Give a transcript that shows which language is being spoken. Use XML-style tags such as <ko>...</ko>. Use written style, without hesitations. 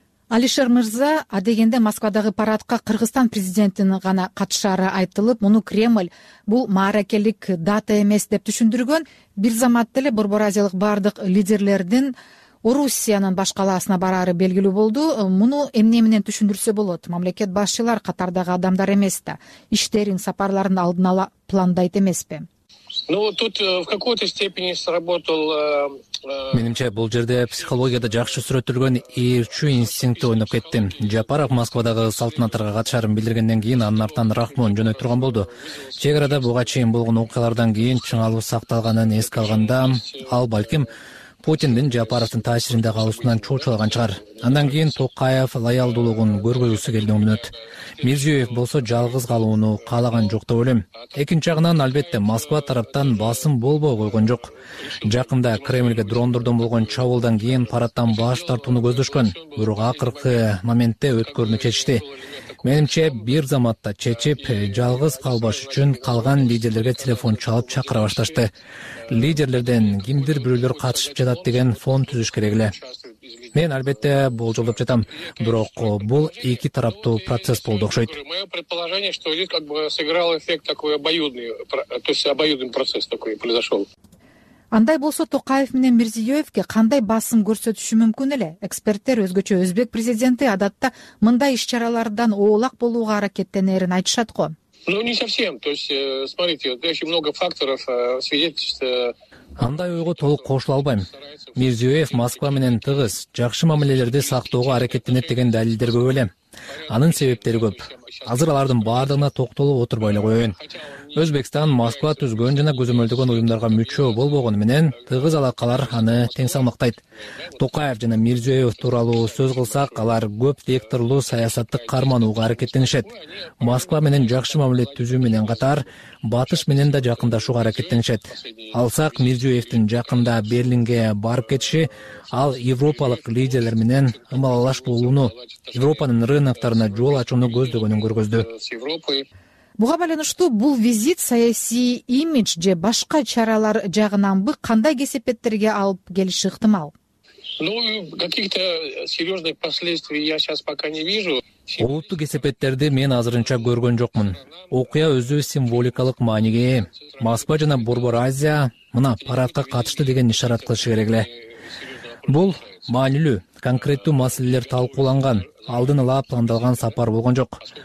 <ky>Алишер Мырза, адегенде Москвадагы парадка Кыргызстан президентинин гана катышары айтылып, муну Кремль бул маарекелик дата эмес деп түшүндүргөн. Бир заматта эле Борбор Азиялык бардык лидерлердин Орусиянын баш калаасына барары белгилүү болду. Муну эмне менен түшүндүрсө болот? Мамлекет башчылар Катардагы адамдар эмес да, иштерин, сапарларын алдын ала пландайт эмеспи?</ky> <ru>Ну, тут в какой-то степени сработал</ru> <ky>Менимче бул жерде психологияда жакшы сүрөттөлгөн ирчү инстинкти ойноп кетти. Жапаров Москвадагы салтанаттарга катышарын билдиргенден кийин анын артынан рахмон жөнөтүп турган болду. Чек арада буга чейин болгон окуялардан кийин чыңалуу сакталганын эске алганда, ал балким Путиндин Жапаровдун таасиринде калуусунан чочулган чыгар. Андан кийин Токаев лоялдуулугун көргөзгүсү келген өмүнөт. Мирзиёев болсо жалгыз калууну каалаган жок деп ойлойм. Экинчи жагынан албетте Москва тараптан басым болбой койгон жок. Жакында Кремльге дрондордон болгон чабуулдан кийин параттан баш тартууну көздөшкөн. Бирок акыркы моментте өткөрүнү чечишти. Менимче бир заматта чечип жалгыз калбаш үчүн калган лидерлерге телефон чалып чакыра башташты. Лидерлерден кимдир бирөөлөр катышып жатат деген фон түзүш керек эле. Мен албетте болжолдоп жатам, бирок бул эки тараптуу процесс болду окшойт.</ky> <ru>Мое предположение, что здесь как бы сыграл эффект такой обоюдный, то есть обоюдный процесс такой произошел.</ru> <ky>Андай болсо Токаев менен Мирзиёевке кандай басым көрсөтүшү мүмкүн эле? Эксперттер өзгөчө өзбек президенти адатта мындай иш-чаралардан оолак болууга аракеттенерин айтышат го.</ky> <ru>Ну не совсем. То есть, смотрите, очень много факторов свидетельств.</ru> <ky>Андай ойго толук кошула албайм. Мирзиёев Москва менен тыгыз, жакшы мамилелерди сактоого аракеттенет деген далилдер көп эле. Анын себептери көп. Азыр алардын баардыгына токтолуп отурбай эле коеюн. Өзбекстан Москва түзгөн жана көзөмөлдөгөн уюмдарга мүчө болбогону менен тыгыз алакалар аны тең салмактайт. Токаев жана Мирзиёев тууралуу сөз кылсак, алар көп векторлуу саясаттык карманууга аракеттенишет. Москва менен жакшы мамиле түзүү менен катар батыш менен да жакындашууга аракеттенишет. Алсак Мирзиёевдин жакында Берлинге барып кетиши, ал европалык лидерлер менен ымалалаш болууну, Европанын рыноктарына жол ачууну көздөгөнүн көргөздү. Буга байланыштуу бул визит саясий имидж же башка чаралар жагынанбы кандай кесепеттерге алып келиши ыктымал?</ky> <ru>Ну, каких-то серьезных последствий я сейчас пока не вижу.</ru> <ky>Олуттуу кесепеттерди мен азырынча көргөн жокмун. Окуя өзү символикалык мааниге ээ. Москва жана Борбор Азия мына парадка катышты деген ишарат кылышы керек эле. Бул маанилүү, конкреттүү маселелер талкууланган, алдын ала пландалган сапар болгон жок.</ky>